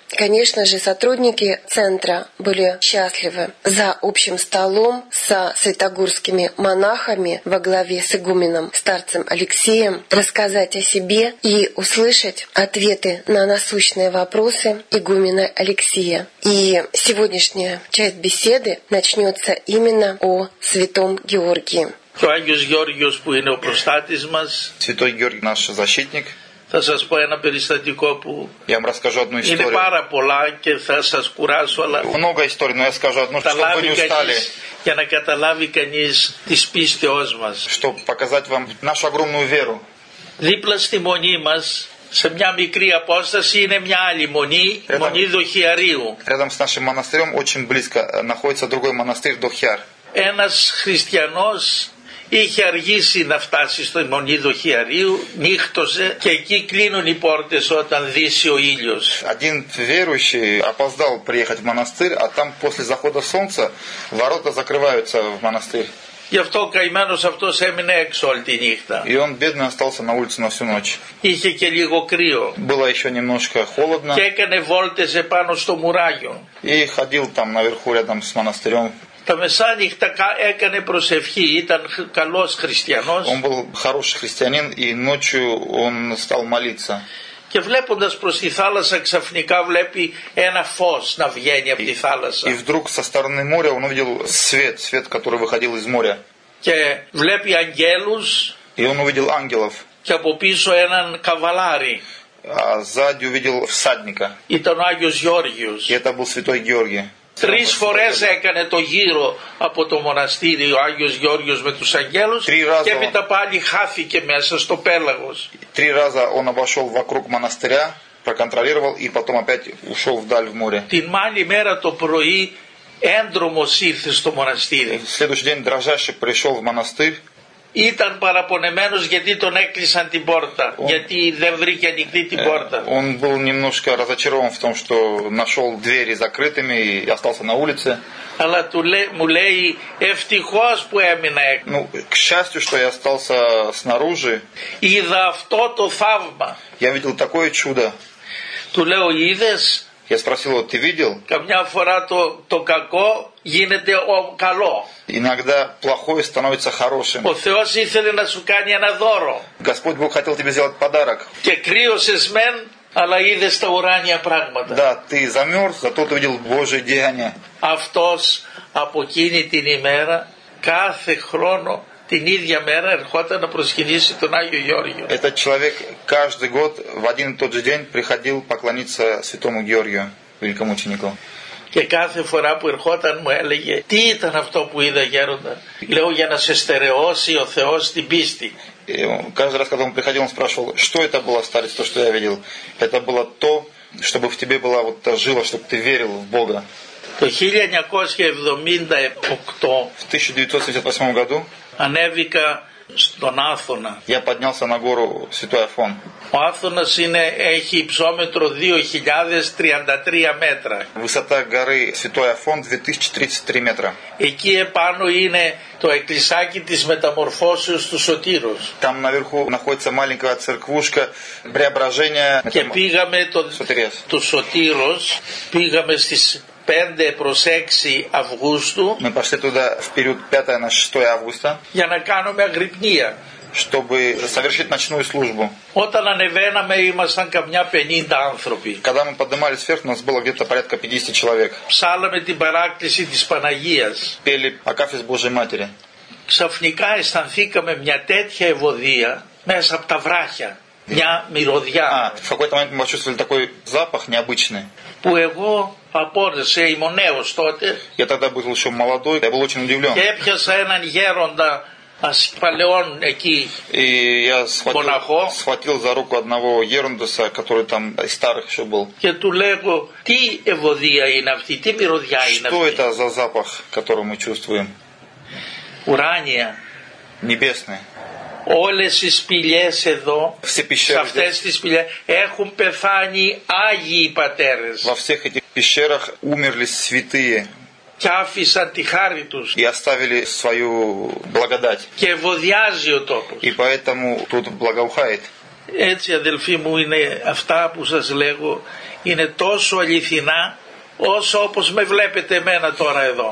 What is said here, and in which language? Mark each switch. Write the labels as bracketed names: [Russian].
[Russian] Конечно же, сотрудники центра были счастливы за общим столом со святогорскими монахами во главе с игуменом старцем Алексеем рассказать о себе и услышать ответы на насущные вопросы игумена Алексея. И сегодняшняя часть беседы начнется именно о святом Георгии. Святой Георгий наш защитник. [Greek] Θα σας πω ένα περιστατικό που είναι πάρα πολλά και θα σας κουράσω, αλλά [Russian] много историй, но я скажу одну, чтобы вы не устали. [Greek] Για να καταλάβει κανείς τις πίστεώς μας. [Russian] Чтобы показать вам нашу огромную веру. [Greek] Δίπλα στη μονή μας, σε μια μικρή απόσταση, είναι μια άλλη μονή, μονή Δοχειαρίου. [Russian] Рядом с нашим монастырем очень близко находится другой монастырь Дохиар. [Greek] Ένας χριστιανός είχε αργήσει να φτάσει στο Μονή Δοχειαρίου, νύχτωσε και εκεί κλείνουν οι πόρτες όταν δύσει ο ήλιος. [Russian] Один верующий опоздал приехать в монастырь, а там после захода солнца ворота закрываются в монастырь. [Greek] Γι' αυτό ο καημένος αυτός έμεινε έξω όλη τη νύχτα. [Russian] И он бедный остался на улице на всю ночь. [Greek] Είχε και λίγο κρύο. [Russian] Было еще немножко холодно. [Greek] Και έκανε βόλτες επάνω στο μουράγιο. [Russian] И ходил там наверху рядом с монастырем. [Greek] Τα μεσάνυχτα έκανε προσευχή, ήταν καλός χριστιανός. [Russian] Он был хороший христианин, и ночью он стал молиться. [Greek] Και βλέποντας προς τη θάλασσα, ξαφνικά βλέπει ένα φως να βγαίνει από τη θάλασσα. [Russian] И вдруг со стороны моря он увидел свет, свет, который выходил из моря. [Greek] Και βλέπει αγγέλους. [Russian] И он увидел ангелов. [Greek] Και από πίσω έναν καβαλάρι. [Russian] А сзади увидел всадника. [Greek] Ήταν ο Άγιος Γιώργιος. [Russian] И это был святой Георгий. [Greek] Τρεις φορές έκανε το γύρο από το μοναστήρι ο Άγιος Γιώργος με τους αγγέλους και έπειτα πάλι χάθηκε μέσα στο πέλαγος. Τρεις φορές [Russian] он обошел вокруг монастыря, проконтролировал и потом опять ушел вдаль в море. [Greek] Την άλλη μέρα το πρωί έντρομος ήρθε στο μοναστήρι. [Russian] Следующий день дрожащий пришел в монастырь. [Greek] Ήταν παραπονεμένος γιατί τον έκλεισαν την πόρτα, γιατί δεν βρήκε ανοιχτή την πόρτα. [Russian] Он был немножко разочарован в том, что нашел двери закрытыми и остался на улице. [Greek] Αλλά μου λέει, ευτυχώς που έμεινα έξω. [Russian] Ну, к счастью, что я остался снаружи. [Greek] Είδα αυτό το θαύμα. [Russian] Я видел такое чудо. [Greek] Του λέω, είδες? [Russian] Я спросил его, ты видел? [Greek] Καμιά φορά το κακό γίνεται καλό. [Russian] Иногда плохое становится хорошим. [Greek] Ο Θεός ήθελε να σου κάνει ένα δώρο. [Russian] Господь Бог хотел тебе сделать подарок. [Greek] Και κρύωσες μεν, αλλά είδες τα ουράνια πράγματα. [Russian] Да, ты замерз, зато ты видел Божие деяния. [Greek] Αυτός από εκείνη την ημέρα, κάθε χρόνο, την ίδια μέρα ερχόταν να προσκυνήσει τον Άγιο Γιώργιο. [Russian] Этот человек каждый год в один и тот же день приходил поклониться святому Георгию, великому ученику. [Greek] Και κάθε φορά που ερχόταν μου έλεγε, τι ήταν αυτό που είδα, γέροντα? Λέω, για να σε στερεώσει ο Θεός την πίστη. [Russian] Каждый раз, когда он приходил, он спрашивал, что это было, старец, то, что я видел? Это было то, чтобы в тебе была вот та жила, чтобы ты верил в Бога. [Greek] Το 1978, [Russian] в 1978 году [Greek] ανέβηκα στον Άθωνα. [Russian] Я поднялся на гору Святой Афон. [Greek] Ο Άθωνας έχει υψόμετρο 2033 μέτρα. [Russian] Высота горы Святой Афон 2033 метра. [Greek] Εκεί επάνω είναι το εκκλησάκι της μεταμορφώσεως του Σωτήρος. [Russian] Там наверху находится маленькая церквушка преображения. [Greek] Και πήγαμε του Σωτήρος, πήγαμε στις 5 προς 6 Αυγούστου. [Russian] Мы пошли туда в период 5 на 6 августа. [Greek] Για να κάνουμε αγρυπνία. [Russian] Чтобы совершить ночную службу. [Greek] Όταν ανεβαίναμε ήμασταν καμιά 50 άνθρωποι. [Russian] Когда мы поднимались вверх, у нас было где-то порядка 50 человек. [Greek] Ψάλαμε την παράκληση της Παναγίας. [Russian] Пели Акафист Божией Матери. [Greek] ξαφνικά αισθανθήκαμε μια τέτοια ευωδία μέσα από τα βράχια, μια μυρωδιά. [Russian] Σε какой-то момент мы почувствовали такой запах необычный. [Greek] Που εγώ απόρρισε, ήμουν νέος τότε. [Russian] Я тогда был еще молодой, я был очень удивлен. [Greek] Και έπιασα έναν γέροντα ασπαλαιών εκεί. [Russian] И я схватил за руку одного γέροντα, который там из старых еще был. [Greek] Και του λέγω, τι ευωδία είναι αυτή, τι μυρωδιά είναι αυτή. [Russian] Что это за запах, который мы чувствуем? [Greek] Ουράνια. [Russian] Небесные. [Greek] Όλες οι σπηλιές εδώ, σε αυτές τις σπηλιές, έχουν πεθάνει άγιοι πατέρες. [Russian] Во всех этих пещерах умерли святые. [Greek] Και άφησαν τη χάρη τους. [Russian] И оставили свою благодать. [Greek] Και ευωδιάζει ο τόπος. [Russian] И поэтому тут благоухает. [Greek] Έτσι, αδελφοί μου, είναι αυτά που σας λέγω, είναι τόσο αληθινά, όσο όπως με βλέπετε εμένα τώρα εδώ.